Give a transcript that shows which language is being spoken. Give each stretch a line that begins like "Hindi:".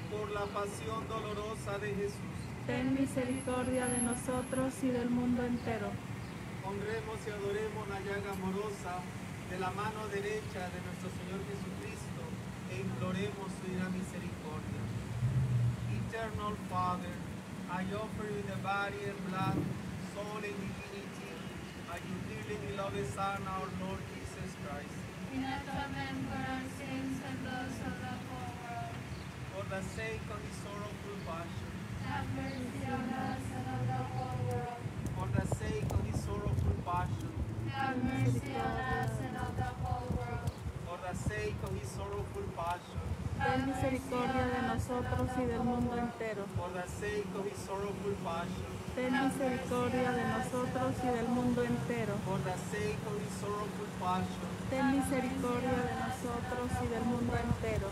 Spanish: Por la pasión dolorosa de Jesús, ten misericordia de nosotros y del mundo entero. Honremos y adoremos la llaga amorosa de la mano derecha de nuestro Señor Jesucristo e imploremos su gran misericordia.
English: Eternal Father, I offer you the body and blood, soul and divinity, by your dearly beloved Son, our Lord Jesus Christ. In atonement for our sins and those of the whole world. For the sake of his sorrowful passion, have mercy on us and on the whole world. For the sake of his sorrowful passion, have mercy on us and on the whole world. For the sake of his sorrowful passion,
Spanish: ten misericordia de nosotros y del mundo entero.
English: For the sake of his sorrowful passion,
Spanish: ten misericordia de nosotros y del mundo entero.
English: For the sake of his sorrowful passion,
Spanish: ten misericordia de nosotros y del mundo entero.